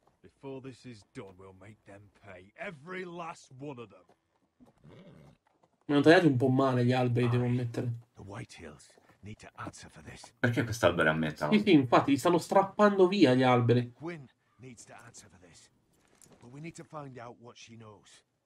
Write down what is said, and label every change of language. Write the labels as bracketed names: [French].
[English] Before this is done, we'll make them pay. Every last one of them. [Italian] Mi hanno tagliato un po' male gli alberi, devo ammettere. The White Hills. Perché quest'albero è a metà? Sì, sì, infatti, li stanno strappando via gli alberi. [English] Gwyn needs to answer for this. But we need to find out what she knows.